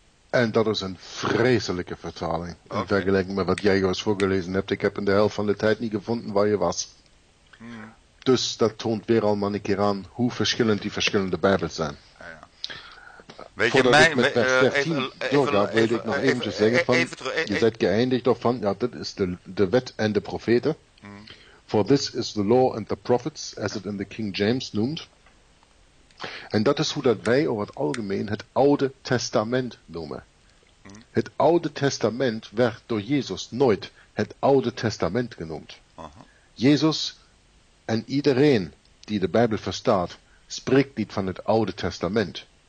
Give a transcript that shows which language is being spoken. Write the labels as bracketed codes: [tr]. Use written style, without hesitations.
[nl] En dat is een vreselijke vertaling. Okay. In vergelijking met wat jij juist voorgelezen hebt. Ik heb in de helft van de tijd niet gevonden waar je was. Ja. Dus dat toont weer al maar een keer aan hoe verschillend die verschillende Bijbels zijn. Ja, ja. Weet je, voordat mijn, ik met vers 13 doorgaat, wil ik nog even te zeggen van, je bent geëindigd of van, ja, dit is de wet en de profeten. [en] For this is the law and the prophets, as it in the King James [nl] noemt. En dat is hoe dat wij over het algemeen het Oude Testament noemen. Het Oude Testament werd door Jezus nooit het Oude Testament genoemd. Jezus en iedereen die de Bijbel verstaat, spreekt niet van het Oude Testament.